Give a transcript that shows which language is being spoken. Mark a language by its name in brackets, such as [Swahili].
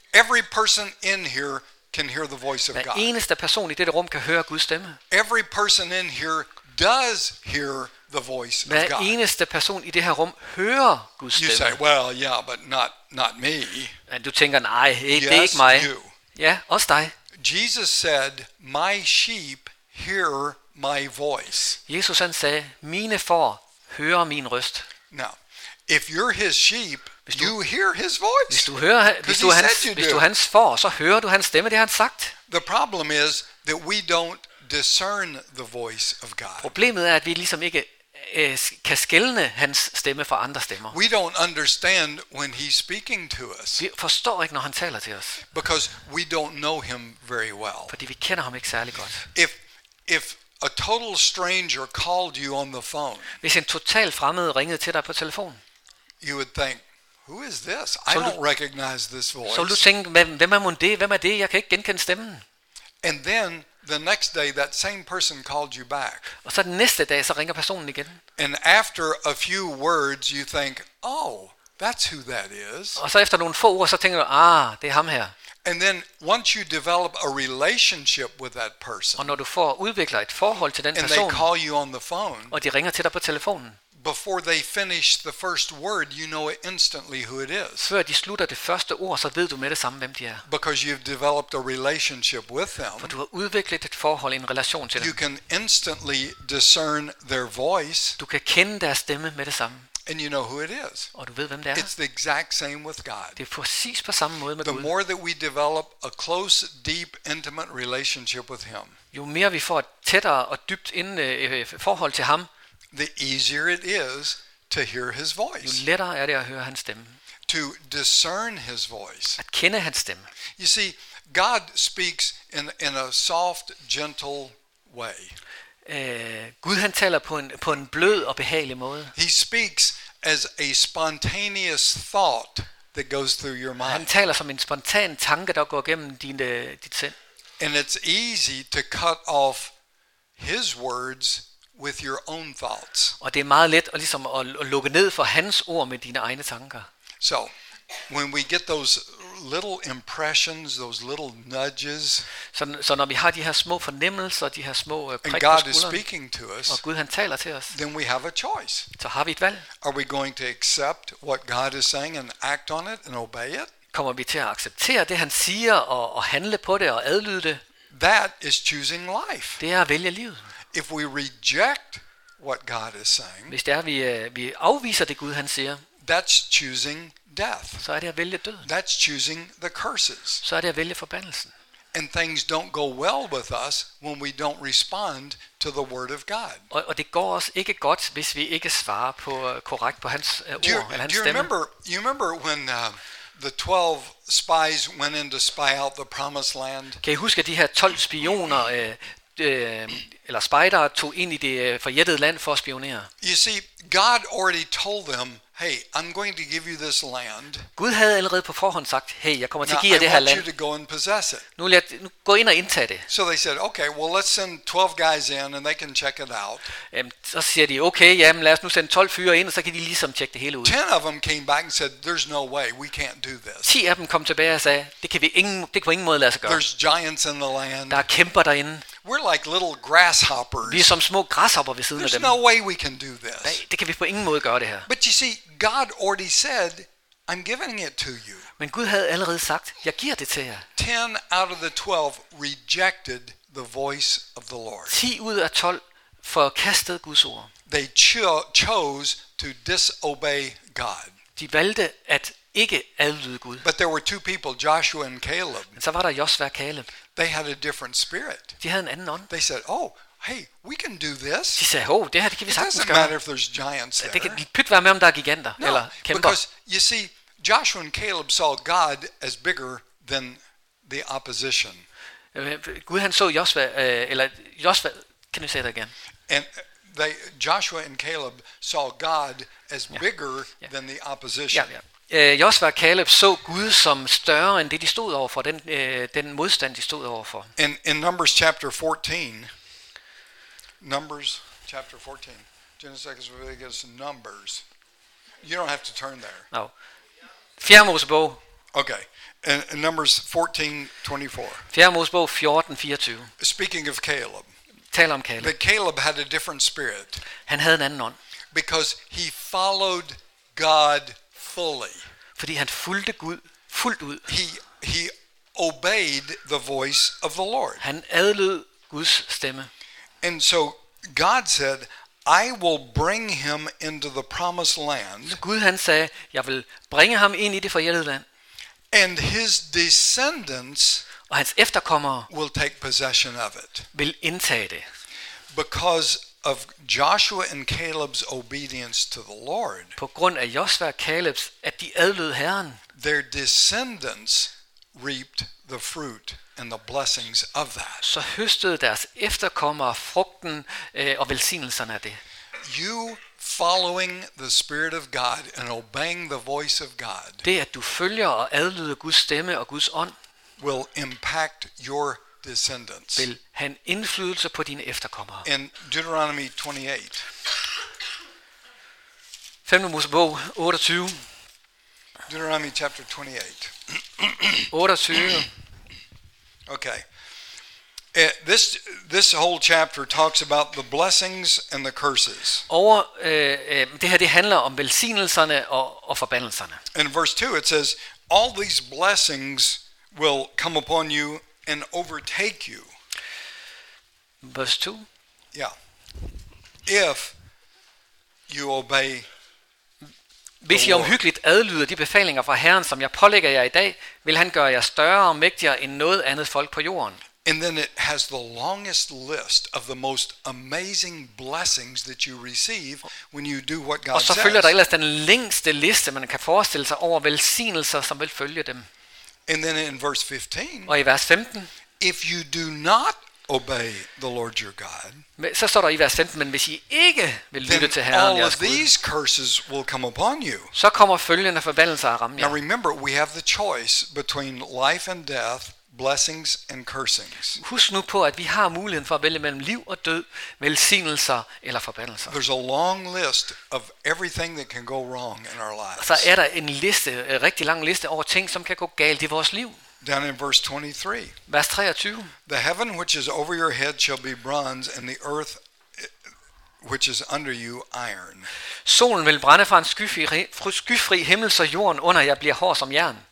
[English] Every person in here can hear the voice of God. [Danish] Hver eneste person i dette rum kan høre Guds stemme. [English] Every person in here does hear the voice of God. [Danish] Hver eneste person i det her rum hører Guds stemme. [English] You say, well, yeah, but not me. [Danish] Du tænker, nej, det er ikke mig. Ja, også dig. [English] Jesus said, my sheep hear my voice. [Danish] Jesus han sagde, mine får hører min røst. [English] Now, if you're his sheep, you hear his voice. [Danish] Hvis du hans får, så hører du hans stemme, det han sagt. [English] The problem is that we don't discern the voice of God. [Danish] Problemet er, at vi ligesom ikke kan skelne hans stemme fra andre stemmer. [English] We don't understand when he's speaking to us. [Danish] Vi forstår ikke, når han taler til os. [English] Because we don't know him very well. [Danish] Fordi vi kender ham ikke særlig godt. [English] If A total stranger called you on the phone. [Danish] Hvis en total fremmed ringede til dig på telefonen. [English] You would think, who is this? I don't recognize this voice. [Danish] Så du tænkte, hvem er mon det? Hvem er det? Jeg kan ikke genkende stemmen. [English] And then the next day that same person called you back. [Danish] Og så den næste dag så ringer personen igen. [English] And after a few words you think, oh, that's who that is. [Danish] Og så efter nogle få ord så tænker du, ah, det er ham her. [English] And then once you develop a relationship with that person. [Danish] Og når du får udviklet et forhold til den person. [English] And they call you on the phone. [Danish] Og de ringer til dig på telefonen. [English] Before they finish the first word, you know it instantly who it is. [Danish] Før de slutter det første ord, så ved du med det samme hvem de er. [English] Because you've developed a relationship with them. [Danish] For du har udviklet et forhold, en relation til dem. [English] You can instantly discern their voice. [Danish] Du kan kende deres stemme med det samme. [English] And you know who it is. [Danish] Og du ved hvem det er. [English] It's the exact same with God. [Danish] Det er præcis på samme måde med Gud. [English] The more that we develop a close, deep, intimate relationship with him. [Danish] Jo mere vi får et tættere og dybt forhold til ham. [English] The easier it is to hear his voice. [Danish] Jo lettere er det at høre hans stemme. [English] To discern his voice. [Danish] At kende hans stemme. [English] You see, God speaks in a soft, gentle way. [Danish] Gud han taler på en blød og behagelig måde. [English] He speaks as a spontaneous thought that goes through your mind. [Danish] Han taler som en spontan tanke der går gennem dit sind. [English] And it's easy to cut off his words with your own thoughts. [Danish] Og det er meget let at ligesom at lukke ned for hans ord med dine egne tanker. [English] So, when we get those little impressions, those little nudges. [Danish] Så når vi har de her små fornemmelser, de her små prik på skulderen. [English] And God is speaking to us. [Danish] Og Gud han taler til os. [English] Then we have a choice. [Danish] Så har vi et valg. [English] Are we going to accept what God is saying and act on it and obey it? [Danish] Kommer vi til at acceptere det han siger og handle på det og adlyde det? [English] That is choosing life. [Danish] Det er at vælge livet. [English] If we reject what God is saying. [Danish] Hvis det er vi afviser det Gud han siger. [English] That's choosing death. [Danish] Så er det at vælge døden. [English] That's choosing the curses. [Danish] Så er det at vælge forbandelsen. [English] And things don't go well with us when we don't respond to the word of God. [Danish] Og det går os ikke godt hvis vi ikke svarer på korrekt på hans ord eller hans stemme. [English] Do you remember when the 12 spies went in to spy out the promised land? [Danish] Kan I huske de her 12 spioner eller spejdere tog ind i det forjættede land for at spionere? [English] You see, God already told them, hey, I'm going to give you this land. [Danish] Gud havde allerede på forhånd sagt, hey, jeg kommer til at give jer det [English] I [Danish] her [English] want [Danish] land. [English] You to go and possess it. [Danish] Nu vil jeg gå ind og indtage det. [English] So they said, okay, well let's send 12 guys in and they can check it out. [Danish] Så siger de, okay, jamen lad os nu sende 12 fyre ind og så kan de ligesom tjekke det hele ud. [English] 10 of them came back and said, there's no way, we can't do this. [Danish] 10 af dem kom tilbage og sagde, det kan på ingen måde lade sig gøre. [English] There's giants in the land. [Danish] Der er kæmper derinde. [English] We're like little grasshoppers. [Danish] Vi er som små græshopper ved siden af dem. [English] There's no way we can do this. [Danish] Det kan vi på ingen måde gøre det her. [English] But you see, God already said, I'm giving it to you. [Danish] Men Gud havde allerede sagt, jeg giver det til jer. [English] 10 out of the 12 rejected the voice of the Lord. [Danish] 10 ud af 12 forkastede Guds ord. [English] They chose to disobey God. [Danish] De valgte at ikke adlyde Gud. [English] But there were two people, Joshua and Caleb. [Danish] Så var der Josua og Caleb. [English] They had a different spirit. [Danish] De havde en anden ånd. [English] They said, "Oh, hey, we can do this." [Danish] De sagde, "Oh, det her det kan vi sagtens gøre." [English] It doesn't matter if there's giants there. [Danish] Det kan pyt være med om der er giganter eller kæmper. [English] Because you see, Joshua and Caleb saw God as bigger than the opposition. [Danish] Gud han så Josua eller Josua, kan du sige det igen? [English] And they Joshua and Caleb saw God as bigger than the opposition. [Danish] Ja. Josua og Caleb så Gud som større end det de stod overfor, den modstand de stod overfor. [English] In Numbers chapter 14. Numbers chapter 14. Genesis Leviticus Numbers. You don't have to turn there. [Danish] No. Fjerde Mosebog. [English] Okay. In Numbers 14:24. [Danish] Fjerde Mosebog 14:24. [English] Speaking of Caleb. [Danish] Taler om Caleb. [English] But Caleb had a different spirit. [Danish] Han havde en anden ånd. [English] Because he followed God fully. [Danish] Fordi han fulgte Gud fuldt ud. [English] He obeyed the voice of the Lord. [Danish] Han adlød Guds stemme. [English] And so God said, I will bring him into the promised land. [Danish] Gud han sagde, jeg vil bringe ham ind i det forjættede land. [English] And his descendants [Danish] og hans efterkommere [English] will take possession of it. [Danish] Vil indtage det. [English] Because of Joshua and Caleb's obedience to the Lord. [Danish] På grund af Josua og Caleb's at de adlød Herren. [English] Their descendants reaped the fruit and the blessings of that. [Danish] Så høstede deres efterkommere frugten og velsignelserne af det. [English] You following the Spirit of God and obeying the voice of God. [Danish] Det at du følger og adlyder Guds stemme og Guds ånd [English] will impact your descendants. [Danish] Vil have en indflydelse på dine efterkommere. [English] In Deuteronomy 28. [Danish] 5. Mosebog 28. [English] Deuteronomy chapter 28. 28. Okay. This whole chapter talks about the blessings and the curses. [Danish] Over det her, det handler om velsignelserne og forbandelserne. [English] In verse 2 it says all these blessings will come upon you and overtake you. [Danish] Verse 2. [English] Yeah. If you obey. [Danish] Hvis I omhyggeligt adlyder de befalinger fra Herren, som jeg pålægger jer i dag, vil han gøre jer større og mægtigere end noget andet folk på jorden. [English] And then it has the longest list of the most amazing blessings that you receive when you do what God says. [Danish] Og så følger der ellers den længste liste, man kan forestille sig over velsignelser, som vil følge dem. [English] And then in verse 15. [Danish] Og i vers 15. [English] If you do not obey the Lord your God. [Danish] Så står der i vers 15, men hvis I ikke vil lytte til Herren jeres Gud. [English] All these curses will come upon you. [Danish] Så kommer følgende forbandelser at ramme jer. [English] Now remember, we have the choice between life and death, blessings and cursings. [Danish] Husk nu på, at vi har muligheden for at vælge mellem liv og død, velsignelser eller forbandelser. [English] There's a long list of everything that can go wrong in our lives. [Danish] Så er der en liste, en rigtig lang liste over ting, som kan gå galt i vores liv. [English] Down in verse 23. [Danish] Vers 23. [English] The heaven which is over your head shall be bronze, and the earth which is under you iron. [Danish] Solen vil brænde fra en skyfri himmel, så jorden under jer bliver hård som jern.